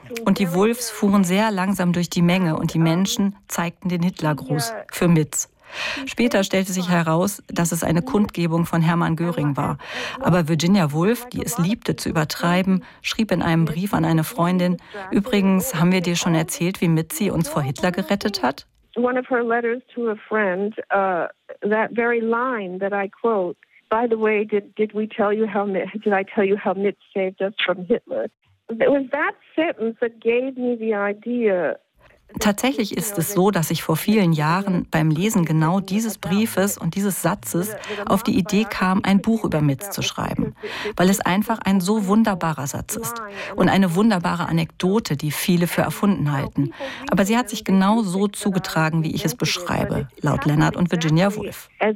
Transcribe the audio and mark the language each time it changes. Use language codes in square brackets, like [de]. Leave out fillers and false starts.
[de] Und die Wolves fuhren sehr langsam durch die Menge und die Menschen zeigten den Hitlergruß für Mitz. Später stellte sich heraus, dass es eine Kundgebung von Hermann Göring war. Aber Virginia Woolf, die es liebte zu übertreiben, schrieb in einem Brief an eine Freundin, übrigens, haben wir dir schon erzählt, wie Mitzi uns vor Hitler gerettet hat? [en] One of her letters to a friend, that very line that I quote, by the way, did I tell you how Mitz saved us from Hitler? It was that sentence that gave me the idea. [de] Tatsächlich ist es so, dass ich vor vielen Jahren beim Lesen genau dieses Briefes und dieses Satzes auf die Idee kam, ein Buch über Mitz zu schreiben, weil es einfach ein so wunderbarer Satz ist und eine wunderbare Anekdote, die viele für erfunden halten. Aber sie hat sich genau so zugetragen, wie ich es beschreibe, laut Leonard und Virginia Woolf.